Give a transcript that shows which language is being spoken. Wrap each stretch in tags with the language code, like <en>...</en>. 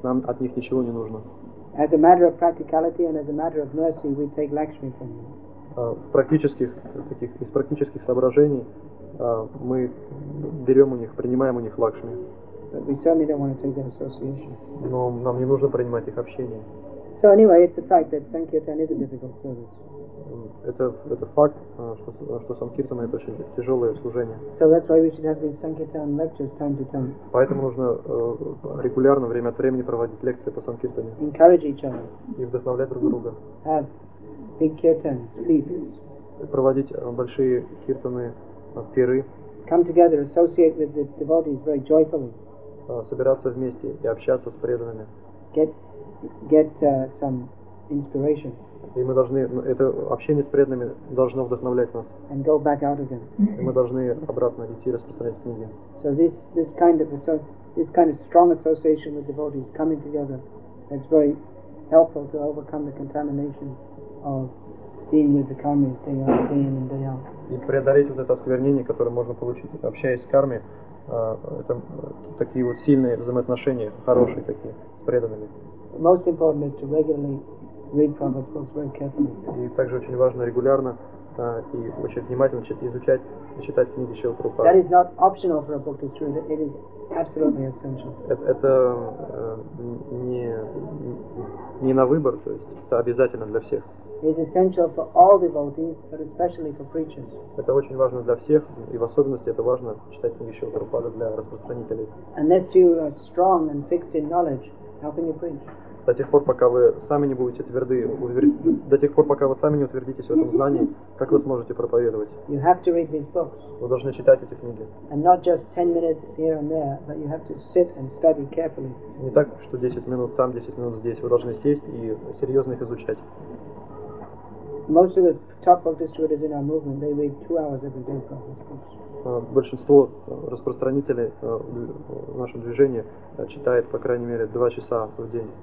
<ru>Нам от них ничего не нужно.</ru> <en>As a matter of practicality and as a matter of mercy, we take Lakshmi from them.</en> <ru>Из практических соображений мы берем у них, принимаем у них Лакшми.</ru> <en>But we certainly don't want to take their association.</en> <ru>Но нам не нужно принимать их общение.</ru> <en>So anyway, it's the fact that Sankirtan is a difficult service.</en> <ru>это факт, что санкиртана это очень тяжелое служение.</ru> <en>So that's why we should have these sankirtan lectures time to time.</en> <ru>Поэтому нужно регулярно время от времени проводить лекции по санкиртане.</ru> <en>Encourage each other.</en> <ru>И вдохновлять друг друга.</ru> <en>Have big kirtans, speeches.</en> <ru>Проводить большие киртаны, пиры.</ru> <en>Come together, associate with the devotees very joyfully.</en> <ru>Собираться вместе и общаться с преданными.</ru> <en>Get some inspiration.</en> <ru>И мы должны, это общение с преданными должно вдохновлять нас.</ru> <en>And go back out again.</en> <ru>И мы должны обратно идти распространять книги.</ru> <en>So this kind of strong association with devotees coming together, it's very helpful to overcome the contamination of being with the karmis day in and day out.</en> <ru>И преодолеть вот это осквернение, которое можно получить, общаясь с карми, это такие вот сильные взаимоотношения, хорошие такие, с преданными.</ru> <en>The most important is to regularly read Prabhupada's books very carefully.</en> <ru>И также очень важно регулярно и очень внимательно изучать и читать книги Шрилы Прабхупады.</ru> <en>That is not optional for a book to read, it is absolutely essential.</en> <ru>Это не на выбор, то есть это обязательно для всех.</ru> <en>It is essential for all devotees, but especially for preachers.</en> <ru>Это очень важно для всех, и в особенности это важно читать книги Шрилы Прабхупады для распространителей.</ru> <en>Unless you are strong and fixed in knowledge, how can you preach?</en> <ru>До тех пор, пока вы сами не будете тверды, до тех пор, пока вы сами не утвердитесь в этом знании, как вы сможете проповедовать?</ru> <en>You have to read these books.</en> <ru>Вы должны читать эти книги.</ru> <en>And not just 10 minutes here and there, but you have to sit and study carefully.</en> <ru>Не так, что 10 минут там, 10 минут здесь. Вы должны сесть и серьезно их изучать.</ru> <en>Most of the top book distributors in our movement, they read 2 hours every day from these books.</en> <ru>Большинство распространителей в нашем движении читает, по крайней мере, 2 часа в день.</ru>